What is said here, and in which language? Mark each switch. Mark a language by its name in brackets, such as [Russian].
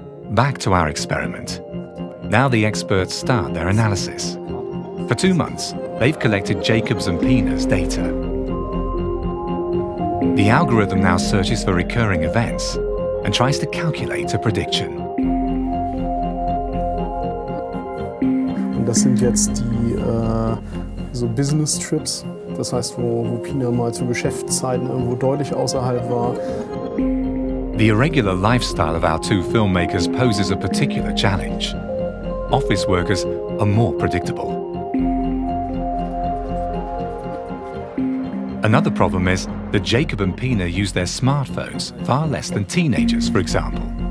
[English] Back to our experiment. Now the experts start their analysis. For 2 months, they've collected Jacob's and Pina's data. The algorithm now searches for recurring events and tries to calculate a prediction. [German] Das sind jetzt die so Business Trips, das heißt, wo Pina mal zu Geschäftszeiten irgendwo deutlich außerhalb war. [English] The irregular lifestyle of our two filmmakers poses a particular challenge. Office workers are more predictable. Another problem is that Jacob and Pina use their smartphones far less than teenagers, for example.